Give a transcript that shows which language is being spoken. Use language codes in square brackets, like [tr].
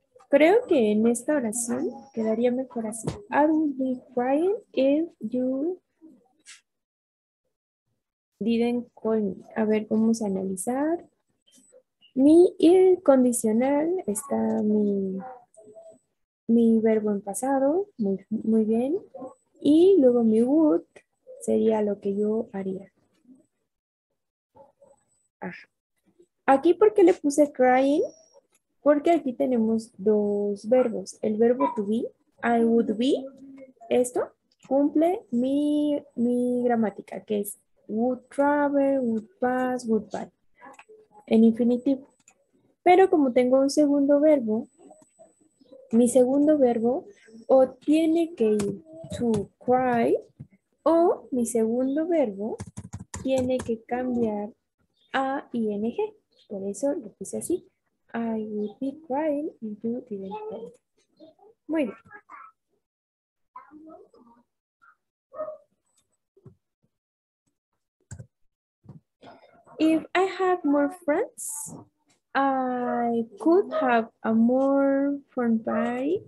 [es] Creo que en esta oración quedaría mejor así. [en] I would be crying if you didn't call me. [es] A ver, vamos a analizar. Mi if condicional está mi verbo en pasado. Muy bien. Y luego mi would sería lo que yo haría. Aquí, ¿por qué le puse crying? Porque aquí tenemos dos verbos. El verbo to be, I would be, esto cumple mi gramática, que es would travel, would pass, would buy, en infinitivo. Pero como tengo un segundo verbo, mi segundo verbo o tiene que ir to cry, o mi segundo verbo tiene que cambiar a ing. Por eso lo puse así. [en] I would be crying if you didn't call. [es] Muy bien. [en] If I had more friends, I could have a more fun party.